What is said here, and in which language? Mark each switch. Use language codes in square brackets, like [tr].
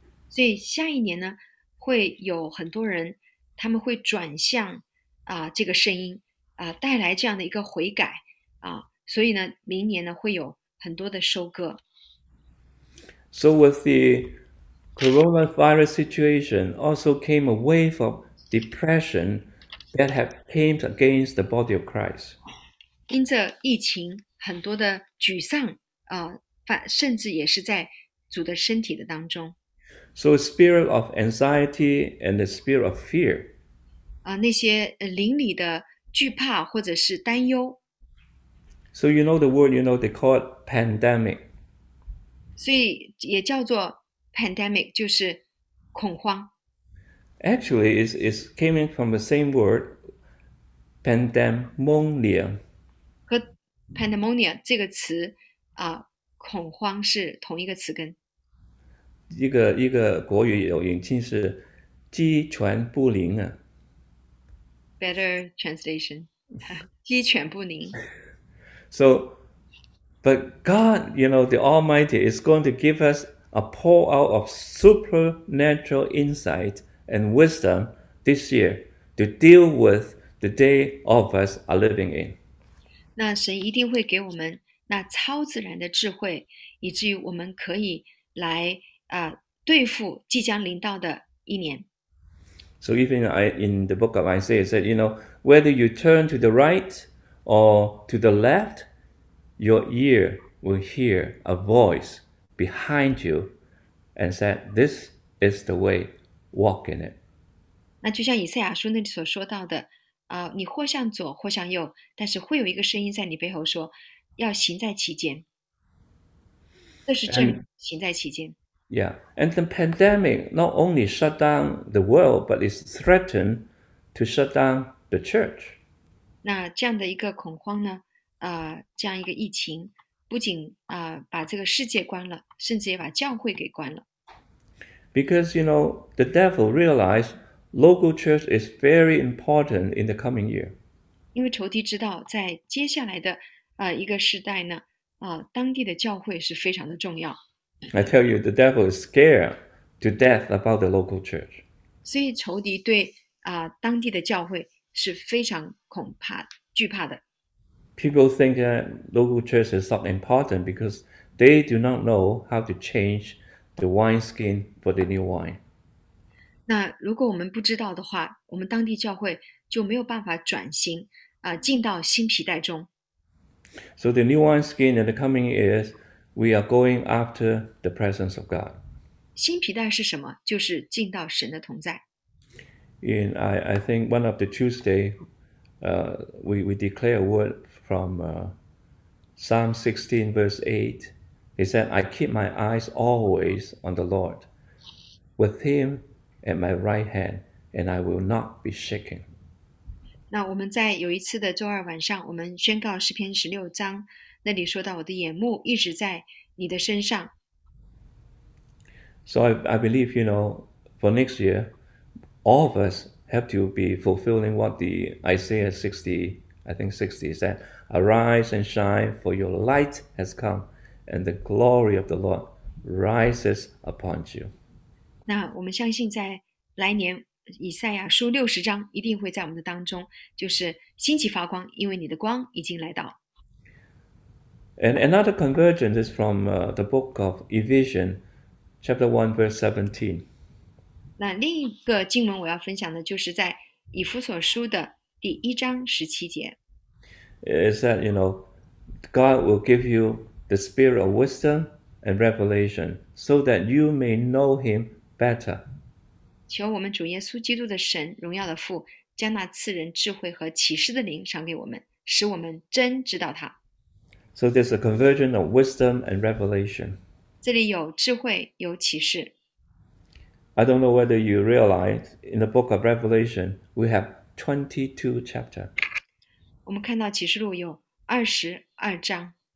[zh] 所以下一年呢，会有很多人，他们会转向这个声音带来这样的一个悔改所以呢，明年呢会有很多的收割。 [en] So with the coronavirus situation, also came a wave of depression that had came against the body of Christ. [zh] 因着疫情，很多的沮丧甚至也是在主的身体的当中。 [en] So a spirit of anxiety and a spirit of fear. [zh] 那些邻里的惧怕或者是担忧， [en] So you know the word, you know they call it pandemic. [zh] 所以也叫做 pandemic，就是恐慌。 [en] Actually, it's coming from the same word, pandemonium. [zh] 和 pandemonia 这个词恐慌是同一个词根。一个国语有引进是鸡犬不宁 [en] Better translation， [zh] 鸡犬不宁。 [en] So, but God, you know, the Almighty is going to give us a pour out of supernatural insight and wisdom this year to deal with the day all of us are living in. [zh] 那神一定会给我们那超自然的智慧，以至于我们可以来对付即将临到的一年。 [en] So even in the book of Isaiah, it said, you know, whether you turn to the right or to the left, your ear will hear a voice behind you and said, this is the way, walk in it. [zh] 那就像以赛亚书那里所说到的，你或向左，或向右，但是会有一个声音在你背后说，要行在其间。这是真理，行在其间。 [en] And the pandemic not only shut down the world, but it's threatened to shut down the church. [zh] 那这样的一个恐慌呢？这样一个疫情，不仅把这个世界关了，甚至也把教会给关了。 [en] Because, you know, the devil realized local church is very important in the coming year. [zh] 因为仇敌知道，在接下来的一个时代呢，当地的教会是非常的重要。 [en] I tell you, the devil is scared to death about the local church. [zh] 所以仇敌对当地的教会是非常恐怕、惧怕的。 [en] People think that local church is not important because they do not know how to change the wineskin for the new wine. [zh] 那如果我们不知道的话，我们当地教会就没有办法转型进到新皮带中。 [en] So the new wineskin in the coming years, we are going after the presence of God. [zh] 新皮带是什么？就是进到神的同在。 [en] I think one of the Tuesday, we declare a word from Psalm 16 verse 8. He said, I keep my eyes always on the Lord, with him at my right hand, and I will not be shaken. [zh] 那我们在有一次的周二晚上，我们宣告诗篇16章，那里说到：“我的眼目一直在你的身上。 [en] So I believe, you know, for next year, all of us have to be fulfilling what the Isaiah 60, I think 60 said, arise and shine, for your light has come, and the glory of the Lord rises upon you. [zh] ”那我们相信，在来年。以赛亚书60章一定会在我们的当中，就是兴起发光，因为你的光已经来到。 [en] And another conversion is from the book of Ephesians, chapter 1, verse 17. [zh] 那另一个经文我要分享的，就是在以弗所书的第1章17节。 [en] It said, you know, God will give you the spirit of wisdom and revelation so that you may know him better. [zh] 求我们主耶稣基督的神，荣耀的父，将那赐人智慧和启示的灵赏给我们，使我们真知道他。 [en] So there's a conversion of wisdom and revelation. [zh] 这里有智慧，有启示。 [en] I don't know whether you realize in the book of Revelation, we have 22 chapters. [zh] 我们看到启示录有22章，